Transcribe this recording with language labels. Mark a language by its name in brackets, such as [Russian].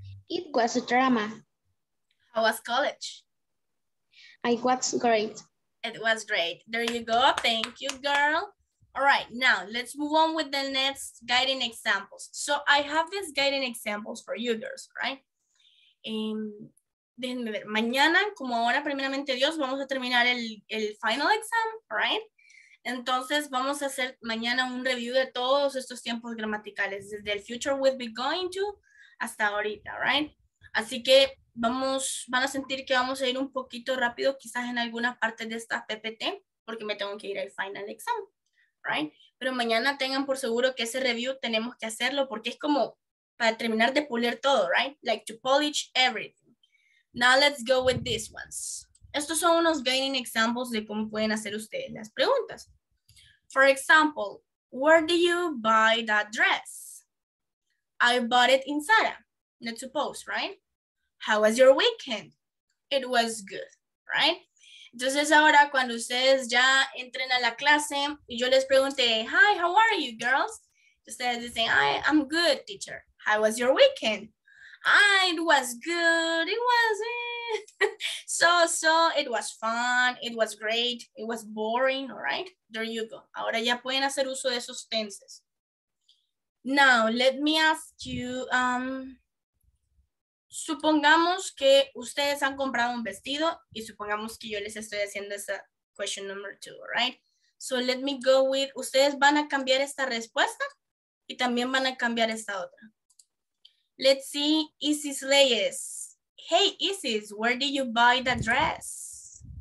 [English] It was a drama. How was college? It was great. It was great. There you go. Thank you, girl. All right, now let's move on with the next guiding examples. So I have these guiding examples for you girls, right? [Spanish] Déjenme ver, mañana, como ahora primeramente Dios, vamos a terminar el [English] final exam, right? [Spanish] Entonces vamos a hacer mañana un review de todos estos tiempos gramaticales, desde el [English] future we'll be going to [Spanish] hasta ahorita, right? Así que van a sentir que vamos a ir un poquito rápido quizás en alguna parte de esta PPT, porque me tengo que ir al [English] final exam, right? [Spanish] Pero mañana tengan por seguro que ese review tenemos que hacerlo porque es como para terminar de pulir todo, right? [English] Like to polish everything. Now let's go with these ones. [Spanish] Estos son unos [English] guiding examples [Spanish] de cómo pueden hacer ustedes las preguntas. [English] For example, where do you buy that dress? I bought it in Zara. Let's suppose, right? How was your weekend? It was good, right? [Spanish] Entonces ahora cuando ustedes ya entren a la clase y yo les pregunte, [English] hi, how are you girls? [Spanish] Ustedes dicen, [English] I'm good, teacher. How was your weekend? It was good. It was so. It was fun. It was great. It was boring. All right. There you go. [Spanish] Ahora ya pueden hacer uso de esos tenses. [English] Now, let me ask you. [Spanish] Supongamos que ustedes han comprado un vestido y supongamos que yo les estoy haciendo esa [English] question number two. All right. So let me go with. [Spanish] Ustedes van a cambiar esta respuesta y también van a cambiar esta otra. [English] Let's see, Isis Leyes. Hey, Isis, where did you buy the dress?